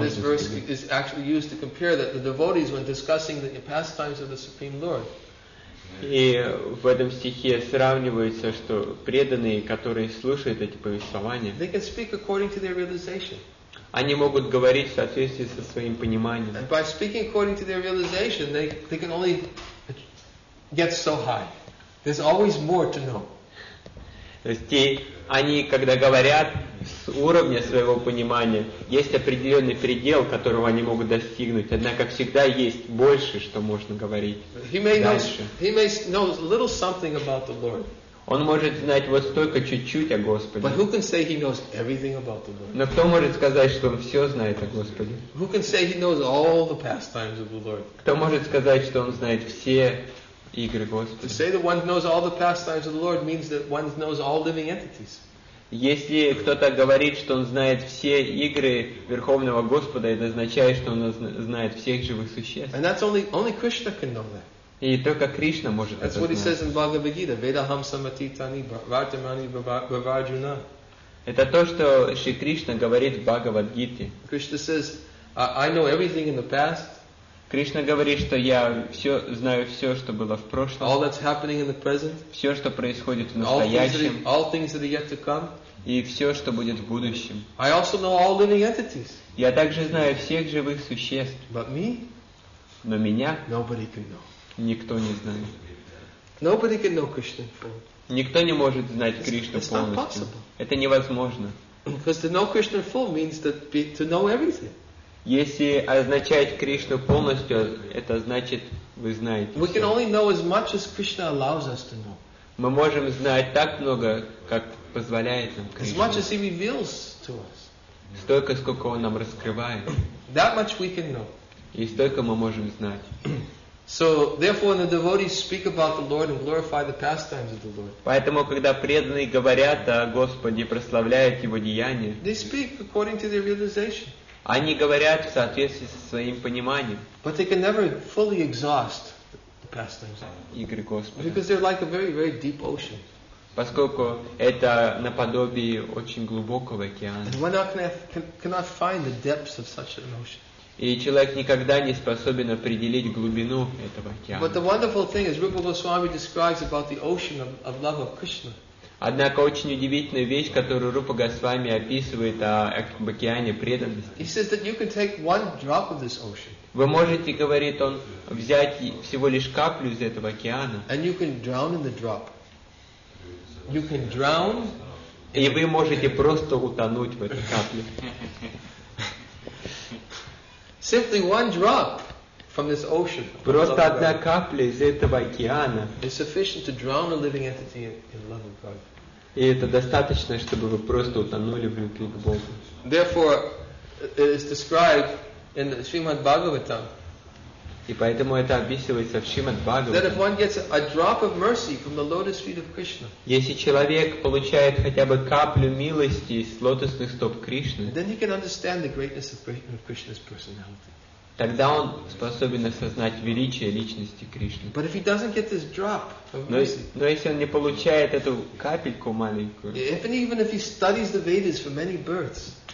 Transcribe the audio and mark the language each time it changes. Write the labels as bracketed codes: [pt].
[en] And this verse is actually used to compare that the devotees when discussing the pastimes of the Supreme Lord. [ru] И в этом стихе сравнивается, что преданные, которые слушают эти повествования, [en] they can speak according to their realization. [ru] Они могут говорить в соответствии со своим пониманием. [en] And by speaking according to their realization, they can only gets so high. There's always more to know. [ru] То есть они, когда говорят с уровня своего понимания, есть определенный предел, которого они могут достигнуть. Однако всегда есть больше, что можно говорить дальше. [en] He may know a little something about the Lord. [ru] Он может знать вот столько чуть-чуть о Господе. [en] But who can say he knows everything about the Lord? [ru] Но кто может сказать, что он все знает о Господе? [en] Who can say he knows all the pastimes of the Lord? [ru] Кто может сказать, что он знает все игры Господа? [en] To say that one knows all the pastimes of the Lord means that one knows all living entities. [ru] Если кто-то говорит, что он знает все игры Верховного Господа, это означает, что он знает всех живых существ. [en] And that's only Krishna can know that. [ru] И только Кришна может [en] That's [ru] это знать. [en] That's what he says in Bhagavad Gita. [sa] Vedaham samatitani vartamani vavarjuna. [ru] Это то, что Шри Кришна говорит в Бхагавад Гите. [en] Krishna says, I know everything in the past. [ru] Кришна говорит, что я все, знаю все, что было в прошлом. [en] All that's happening in the present. [ru] Все, что происходит в настоящем. [en] All things that are yet to come. [ru] И все, что будет в будущем. [en] I also know all living entities. [ru] Я также знаю всех живых существ. [en] But me? [ru] Но меня? [en] Nobody can know. [ru] Никто не знает. [en] Nobody can know Krishna fully. [ru] Никто не может знать Кришну полностью. [en] It's not possible. [ru] Это невозможно. [en] Because to know Krishna fully means that to know everything. [ru] Если означать Кришну полностью, это значит вы знаете. [en] We can only know as much as Krishna allows us to know. [ru] Мы можем знать так много, как позволяет нам Кришна. [en] As much as he reveals to us. [ru] Столько, сколько он нам раскрывает. [en] That much we can know. [ru] И столько мы можем знать. [en] So, therefore, when the devotees speak about the Lord and glorify the pastimes of the Lord. [ru] Поэтому, когда преданные говорят о Господе и прославляют Его деяния. [en] They speak according to their realization. [ru] Они говорят в соответствии со своим пониманием. [en] But they can never fully exhaust the pastimes of the Lord. [ru] Игры Господа. [en] Because they're like a very, very deep ocean. [ru] Поскольку это наподобие очень глубокого океана. [en] And one cannot find the depths of such an ocean. [ru] И человек никогда не способен определить глубину этого океана. [en] But the wonderful thing is, Rupa Goswami describes about the ocean of love of Krishna. [ru] Однако очень удивительная вещь, которую Рупа Госвами описывает об океане преданности. [en] He says that you can take one drop of this ocean. [ru] Вы можете, говорит он, взять всего лишь каплю из этого океана. [en] And you can drown in the drop. You can drown. [ru] И вы можете просто утонуть в этой капле. [en] Simply one drop from this ocean. [ru] Просто одна капля из этого океана. [en] Is sufficient to drown a living entity in love of God. [ru] И это достаточно, чтобы вы просто утонули в любви к Богу. [en] Therefore, it is described in the Srimad Bhagavatam. [ru] И поэтому это описывается в Шримад Бхагаватам. [en] That if one gets a drop of mercy from the lotus feet of Krishna. [ru] Если человек получает хотя бы каплю милости из лотосных стоп Кришны. [en] Then he can understand the greatness of Krishna's personality. [ru] Тогда он способен осознать величие личности Кришны. [en] But if he doesn't get this drop of mercy. [ru] Но если он не получает эту капельку маленькую. [en] Even if he studies the Vedas for many births.